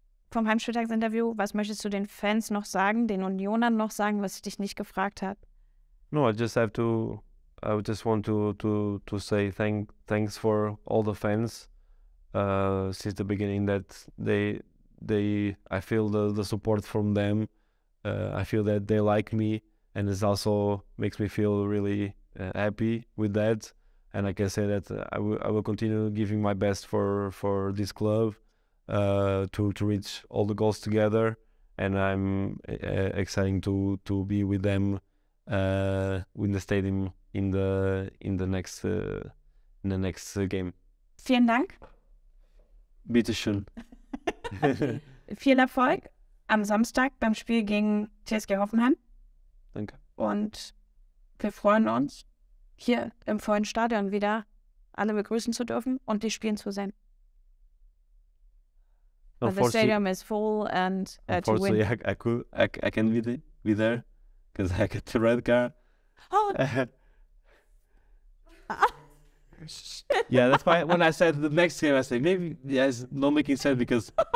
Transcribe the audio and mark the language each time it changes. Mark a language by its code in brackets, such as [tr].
[de] Vom Heimspieltagsinterview, was möchtest du den Fans noch sagen, den Unionern noch sagen, was ich dich nicht gefragt habe? [en] No, I just want to say thanks for all the fans since the beginning that they I feel the support from them. I feel that they like me, and it also makes me feel really happy with that. And I can say that I will continue giving my best for this club. To reach all the goals together, and I'm excited to be with them in the stadium in the next game. [de] Vielen Dank. Bitte schön. Viel Erfolg am Samstag beim Spiel gegen TSG Hoffenheim. Danke. Und wir freuen uns, hier im vollen Stadion wieder alle begrüßen zu dürfen und die spielen zu sehen. [en] But the stadium is full and to win. I can be there because I get the red card. Oh. Yeah, that's why when I said the next game, I say maybe, yeah, it's not making sense because...